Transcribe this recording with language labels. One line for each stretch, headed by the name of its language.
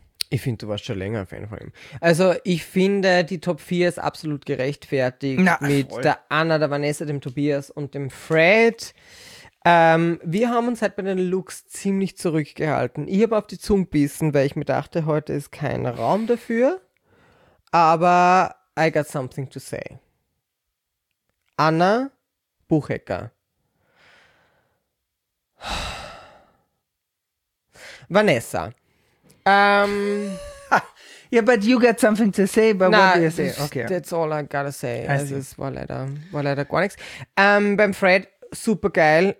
German: Ich finde, du warst schon länger ein Fan von ihm. Also ich finde, die Top 4 ist absolut gerechtfertigt der Anna, der Vanessa, dem Tobias und dem Fred. Wir haben uns halt bei den Looks ziemlich zurückgehalten. Ich habe auf die Zunge gebissen, weil ich mir dachte, heute ist kein Raum dafür. Aber
English: I got something to say.
German: Anna Buchecker. Vanessa.
English: Yeah, but you got something to say, but what do you say? Okay. That's all I gotta say.
German: Also, es war leider gar nichts. Beim Fred, super geil.